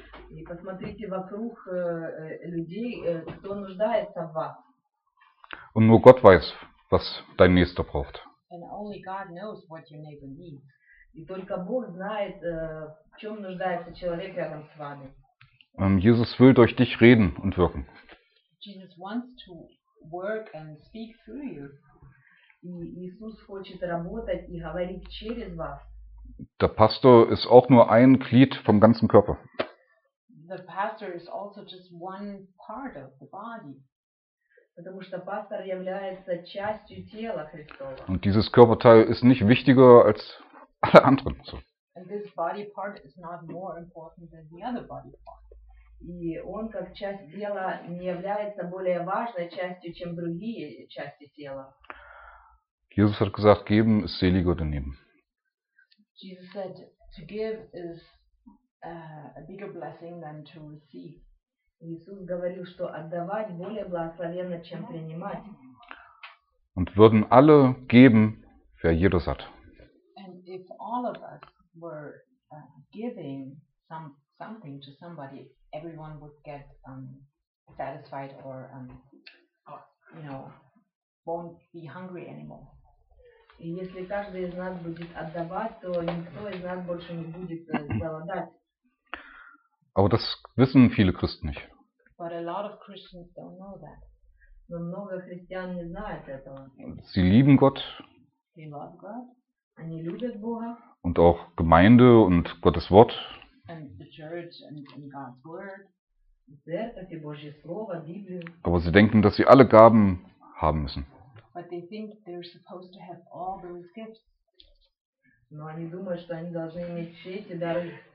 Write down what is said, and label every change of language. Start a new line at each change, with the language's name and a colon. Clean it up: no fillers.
Russian: И посмотрите вокруг людей, кто нуждается в вас.
German: Und nur Gott weiß, was dein Nächster braucht.
English: And only God knows what your neighbor needs.
Russian: И только Бог знает, в чем нуждается человек рядом с вами.
German: Jesus will durch dich reden und wirken.
English: Jesus wants to work and speak through you.
Russian: И Иисус хочет работать и говорить через вас.
German: Der Pastor ist auch nur ein Glied vom ganzen Körper.
English: The pastor is also just one part of the body.
Russian: Потому что пастор является частью тела Христова.
German: Und dieses Körperteil ist nicht wichtiger als alle anderen. So.
English: And this body part is not more important than the other body part.
Russian: И он как часть тела не является более важной частью, чем другие части тела.
German: Jesus hat gesagt, geben ist seliger denn nehmen.
English: Jesus said, to give is a bigger blessing than to receive.
Russian: Иисус говорил, что отдавать более благословенно, чем принимать.
German: Und würden alle geben, wer jedes hat.
English: And if all of us were giving something to somebody, everyone would get satisfied or you know, won't be hungry anymore.
Russian: И если каждый из нас будет отдавать, то никто из нас больше не будет голодать.
German: Aber das wissen viele Christen nicht.
English: But a lot of Christians don't know that.
Russian: Но много христиан не знают этого.
German: Sie lieben Gott.
English: They love God.
Russian: Они любят Бога.
German: Und auch Gemeinde und Gottes Wort.
English: And the church and God's word.
Russian: Церковь и Божье слово, Библию.
German: Aber sie denken, dass sie alle Gaben haben müssen.
English: But they think they're supposed to have all those gifts.
Russian: Но они думают, что они должны иметь все эти дары.